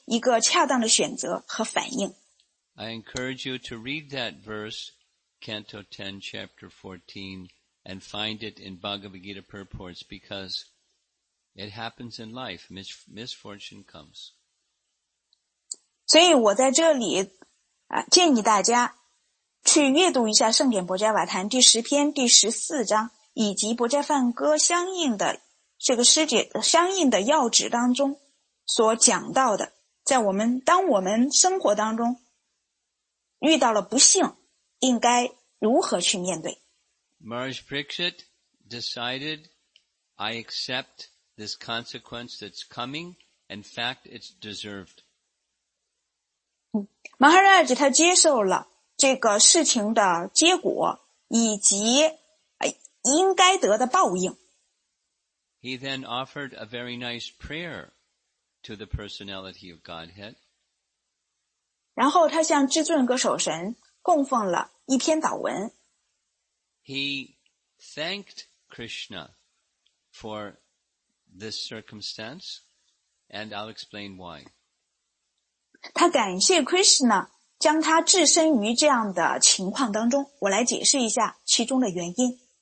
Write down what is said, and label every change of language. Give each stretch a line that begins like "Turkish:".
Chinese: 一个恰当的选择和反应。
English: I encourage you to read that verse, Canto 10, Chapter 14, and find it in Bhagavad Gita purports because it happens in life. Misfortune comes.
Chinese: 所以我在这里、建议大家去阅读一下《圣典薄伽瓦坛》第十篇第十四章以及《薄伽梵歌》相应的这个师姐相应的要旨当中所讲到的，在我们当我们生活当中遇到了不幸，应该如何去面对
English: ？Maharaj Pariksit decided, I accept this consequence that's coming. In fact, it's deserved.
Chinese: Maharaj 他接受了这个事情的结果以及应该得的报应。
English: He then offered a very nice prayer to the personality of Godhead.
Chinese: 然后他向至尊歌手神供奉了一篇祷文。
English: He thanked Krishna for this circumstance, and I'll explain why.
Chinese: 他感谢 Krishna 将他置身于这样的情况当中，我来解释一下其中的原因。